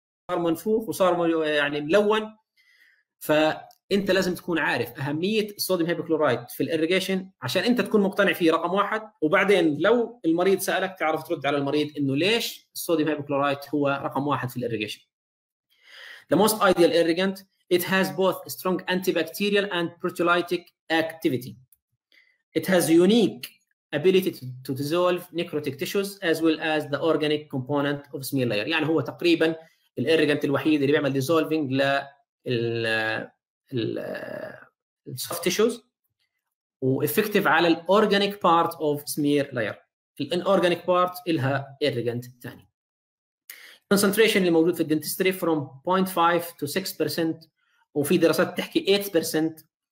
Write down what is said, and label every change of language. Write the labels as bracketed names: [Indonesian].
[Arabic] صار منفوخ وصار يعني ملون. فانت لازم تكون عارف اهميه الصوديوم هيبوكلورايد في الاريجيشن عشان انت تكون مقتنع فيه رقم واحد، وبعدين لو المريض سالك تعرف ترد على المريض انه ليش الصوديوم هيبوكلورايد هو رقم واحد في الاريجيشن. [English] The most ideal irrigant, it has both strong antibacterial and proteolytic activity. It has unique ability to dissolve necrotic tissues as well as the organic component of smear layer. [Arabic] يعني هو تقريبا الإيرجنت الوحيد اللي بيعمل ديزولفينج لل soft tissues وإفكتيف على الأورجانيك بارت أوف سمير لاير. الإنأورجانيك بارت إلها إيرجنت تاني. concentration اللي موجود في الدنتستري [English] from 0.5 to 6% [Arabic] وفي دراسات تحكي 8%.